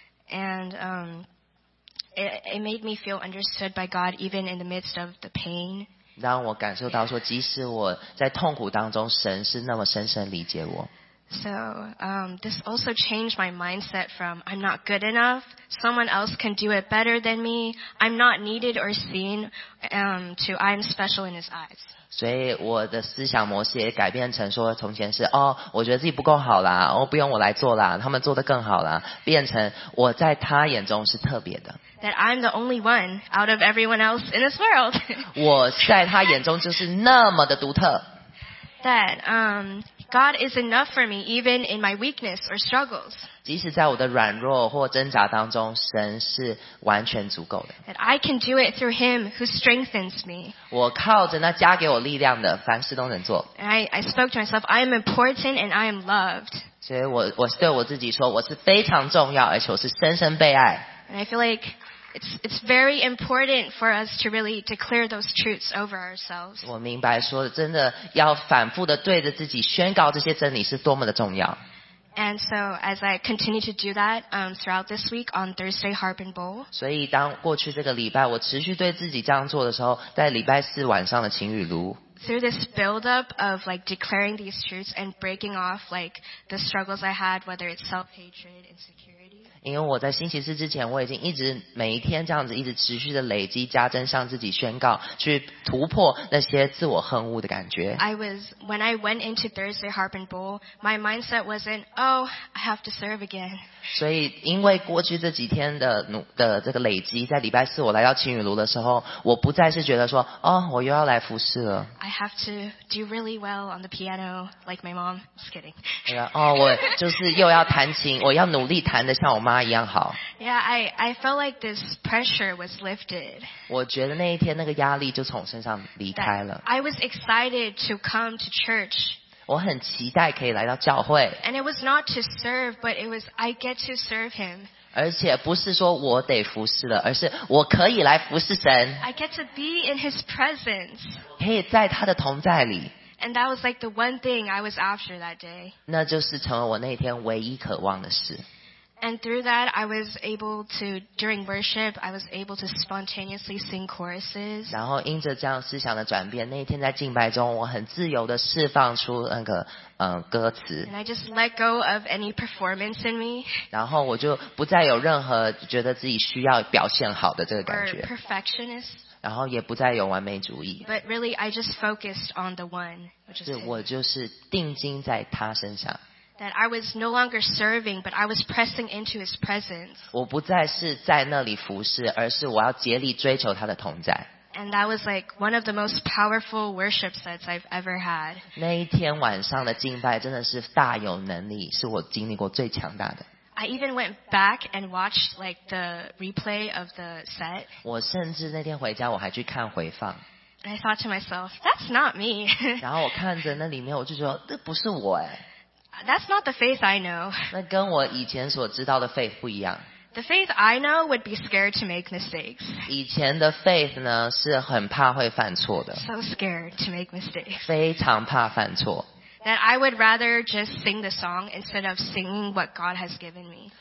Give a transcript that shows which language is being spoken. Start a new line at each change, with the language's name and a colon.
English: And it made me feel understood by God even in the midst of the pain.
Chinese: 让我感受到说，即使我在痛苦当中，神是那么深深理解我。
English: So, this also changed my mindset from I'm not good enough, someone else can do it better than me, I'm not needed or seen, to I'm special in his eyes.
Chinese: 所以我的思想模式也改变成说，从前是哦，我觉得自己不够好啦，哦，不用我来做啦，他们做得更好啦，变成我在他眼中是特别的。
English: That I'm the only one out of everyone else in this world.
Chinese: 我在他眼中就是那么的独特。
English: That, God is enough for me even in my weakness or struggles.
Chinese: 即使在我的软弱或挣扎当中，神是完全足够的。
English: That I can do it through him who strengthens me.
Chinese: 我靠着那加给我力量的，凡事都能做。
English: And I spoke to myself, I am important and I am loved.
Chinese: 所以我对我自己说，我是非常重要，而且我是深深被爱。
English: And I feel like It's very important for us to really declare those truths over ourselves.
Chinese: 我明白说真的要反复的对着自己宣告这些真理是多么的重要。
English: And so as I continue to do that throughout this week on Thursday Harp and Bowl.
Chinese: 所以当过去这个礼拜我持续对自己这样做的时候，在礼拜四晚上的晴雨炉。
English: Through this build-up of like declaring these truths and breaking off like the struggles I had, whether it's self-hatred, insecurity.
Chinese: 因为我在星期四之前我已经一直每一天这样子一直持续的累积加增向自己宣告去突破那些自我恨恶的感觉。
English: When I went into Thursday Harp and Bowl, my mindset wasn't, oh, I have to serve again.
Chinese: 所以因为过去这几天 的这个累积，在礼拜四我来到青雨炉的时候，我不再是觉得说，哦，我又要来服侍了。
English: I have to do really well on the piano, like my mom. Just kidding.
Chinese: 哦，我就是又要弹琴，我要努力弹得像我妈一样好。
English: Yeah, I felt like this pressure was lifted.
Chinese: 我觉得那一天那个压力就从我身上离开了。
English: I was excited to come to church.
Chinese: 我很期待可以来到教会。
English: And it was not to serve, but it was I get to serve him.
Chinese: 而且不是说我得服侍了，而是我可以来服侍神。
English: I get to be in His presence.
Chinese: 可以在他的同在里。
English: And that was like the one thing I was after that day.
Chinese: 那就是成为我那天唯一渴望的事。
English: And through that, I was able to during worship, I was able to spontaneously sing choruses.
Chinese: 然后因着这样思想的转变，那天在敬拜中，我很自由地释放出那个。歌词。
English: And I just let go of any performance in me.
Chinese: 然后我就不再有任何觉得自己需要表现好的这个感觉。
English: Or perfectionist.
Chinese: 然后也不再有完美主义。
English: But really, I just focused on the one, which is.
Chinese: 是我就是定睛在他身上。
English: That I was no longer serving, but I was pressing into His presence.
Chinese: 我不再是在那里服侍，而是我要竭力追求他的同在。
English: And that was like one of the most powerful worship sets I've ever had.
Chinese: 那一天晚上的敬拜真的是大有能力，是我经历过最强大的。
English: I even went back and watched like the replay of the set.
Chinese: 我甚至那天回家我还去看回放。
English: And I thought to myself, that's not me.
Chinese: 然后我看着那里面，我就说这不是我哎。
English: That's not the faith I know.
Chinese: 那跟我以前所知道的 faith 不一样。
English: The faith I know would be scared to make mistakes.
Chinese: 以前的 faith 呢是很怕会犯错的。
English: So scared to make mistakes.
Chinese: 非常怕犯错。
English: That I would rather just sing the song instead of singing what God has given me.